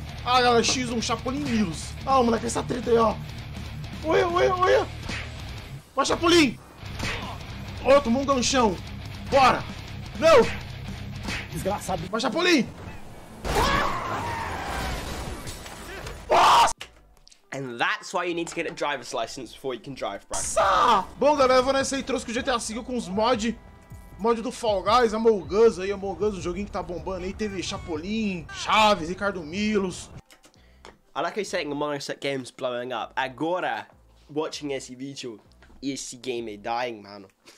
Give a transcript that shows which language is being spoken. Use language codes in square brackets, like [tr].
[pt] Ah, galera, X1, Chapolin News. Ah, moleque, essa treta aí, ó. Oi! Vai, Chapolin! Ô, tomou um ganchão. Bora! Não! Desgraçado. Vai, Chapolin! [en] And that's why you need to get a driver's license before you can drive, bro. [pt] Bom, galera, eu vou nessa aí, trouxe que o GTA V com os mods. Mod do Fall Guys, Among Us aí, Among Us, um joguinho que tá bombando aí. Teve Chapolin, Chaves, Ricardo Milos. [en] I like how you're saying Among Us that game's blowing up. [pt] Agora, [en] watching [pt] esse vídeo, esse game é [en] dying, [pt] mano.